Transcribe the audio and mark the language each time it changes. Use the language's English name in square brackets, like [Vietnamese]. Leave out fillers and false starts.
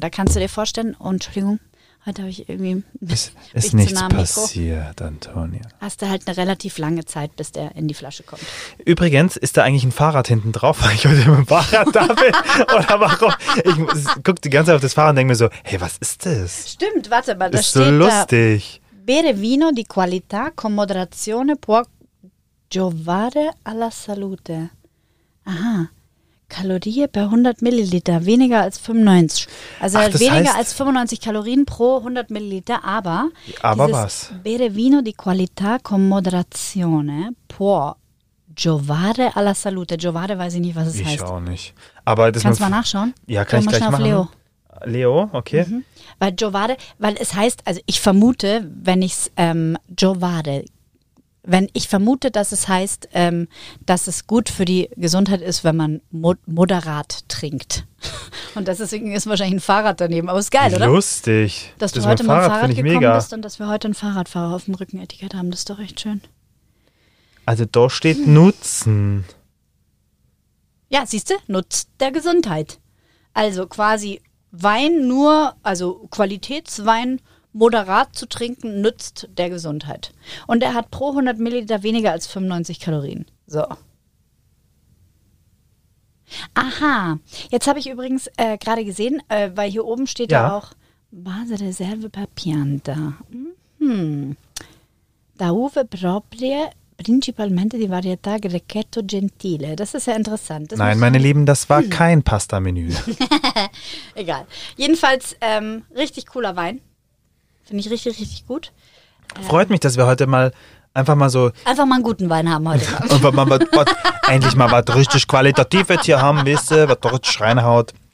[German] Da kannst du dir vorstellen, Entschuldigung. Heute habe ich irgendwie. Ist nichts passiert, Antonia. Hast du halt eine relativ lange Zeit, bis der in die Flasche kommt. Übrigens, ist da eigentlich ein Fahrrad hinten drauf, weil ich heute mit dem Fahrrad da bin? Oder warum? Ich gucke die ganze Zeit auf das Fahrrad und denke mir so: Hey, was ist das? Stimmt, warte mal, das ist so lustig. [Italian] Bere vino di qualità con moderazione può giovare alla salute. [German] Aha. Kalorie per 100 Milliliter, weniger als 95. Also ach, weniger heißt, als 95 Kalorien pro 100 Milliliter, aber. Aber was? [Italian] Bere vino di qualità con moderazione può giovare alla salute. [German] Giovare weiß ich nicht, was es ich heißt. Ich auch nicht. Aber das kannst du mal nachschauen? Ja, kann ich gleich machen. Leo. Leo, okay. Mhm. Weil giovare, weil es heißt, also ich vermute, wenn ich es giovare. Wenn ich vermute, dass es heißt, dass es gut für die Gesundheit ist, wenn man moderat trinkt. Und deswegen ist wahrscheinlich ein Fahrrad daneben. Aber ist geil, oder? Lustig. Dass du heute mal Fahrrad gekommen bist und dass wir heute einen Fahrradfahrer auf dem Rückenetikett haben. Das ist doch echt schön. Also da steht Nutzen. Ja, siehst du? Nutz der Gesundheit. Also quasi Wein nur, also Qualitätswein, moderat zu trinken, nützt der Gesundheit. Und er hat pro 100 Milliliter weniger als 95 Kalorien. So. Aha. Jetzt habe ich übrigens gerade gesehen, weil hier oben steht ja auch [Italian] Base reserve per pianta. Da uve proprie principalmente di varietà Grechetto Gentile. [German] Das ist ja interessant. Das nein, meine Lieben, das war kein Pasta-Menü. Egal. Jedenfalls richtig cooler Wein. Finde ich richtig, richtig gut. Freut mich, dass wir heute mal einfach mal so. Einfach mal einen guten Wein haben heute. Einfach mal endlich mal was richtig Qualitatives hier haben, wisst ihr, was richtig reinhaut.